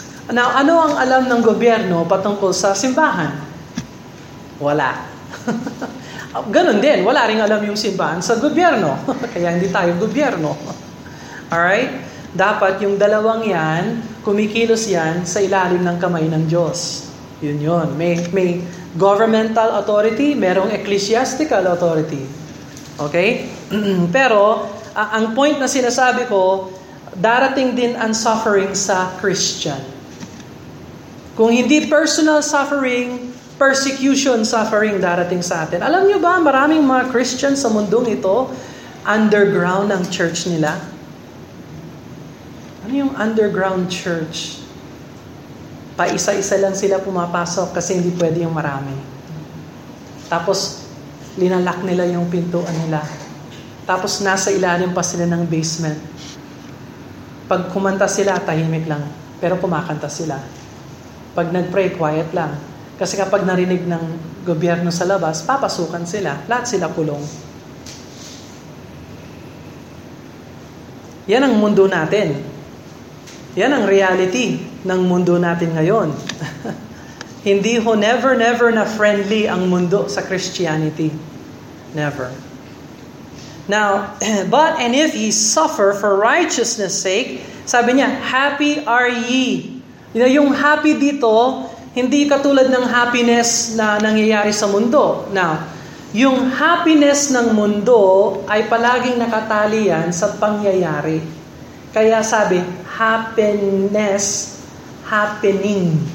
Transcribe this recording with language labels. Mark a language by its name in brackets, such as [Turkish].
[Filipino] Now, ano ang alam ng gobyerno patungkol sa simbahan? Wala. Ganun din, wala rin alam yung simbahan sa gobyerno. Kaya hindi tayo gobyerno. Alright? Dapat yung dalawang yan, kumikilos yan sa ilalim ng kamay ng Diyos. Yun yun. May governmental authority, merong ecclesiastical authority. Okay? Pero, ang point na sinasabi ko, darating din ang suffering sa Christian. Kung hindi personal suffering, persecution suffering darating sa atin. Alam nyo ba, maraming mga Christian sa mundong ito, underground ang church nila? Ano yung underground church? Paisa-isa lang sila pumapasok kasi hindi pwede yung marami. Tapos, linalak nila yung pintuan nila. Tapos nasa ilalim pa sila ng basement. Pag kumanta sila, tahimik lang. Pero kumakanta sila. Pag nag-pray, quiet lang. Kasi kapag narinig ng gobyerno sa labas, papasukan sila. Lahat sila kulong. Yan ang mundo natin. Yan ang reality ng mundo natin ngayon. Hindi ho never, never na friendly ang mundo sa Christianity. Never. [English] Now, but and if ye suffer for righteousness' sake, [Filipino] sabi niya, [English] happy are ye. You know, [Filipino] yung happy dito, hindi katulad ng happiness na nangyayari sa mundo. Now, yung happiness ng mundo ay palaging nakatali yan sa pangyayari. Kaya sabi, happiness, happening.